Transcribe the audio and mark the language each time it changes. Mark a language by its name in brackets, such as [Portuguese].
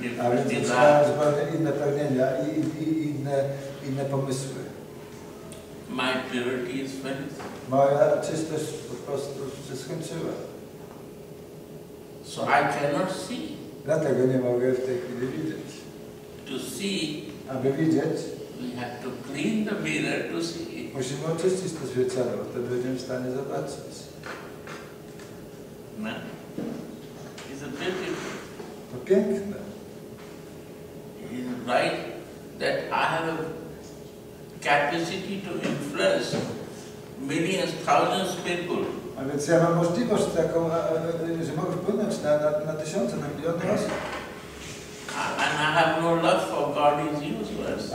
[English] desires. [Polish] A więc zostały inne pragnienia i inne pomysły. [English] My purity is finished. [Polish] Moja czystość po prostu się skończyła. [English] So I cannot see. [Polish] Dlatego nie mogę w tej chwili widzieć. [English] To see, [Polish] aby widzieć, [English] we have to clean the mirror to see. [Polish] Musimy oczyścić to zwierciadło, wtedy będziemy w stanie zobaczyć. [English] No. It's a beautiful. [Polish] To piękne. [English] It's right that I have a capacity to influence millions, thousands of people. [Polish] A więc ja mam możliwość taką, że mogę wpłynąć na tysiące, na miliony osób. [English] And I have no love for God, is useless.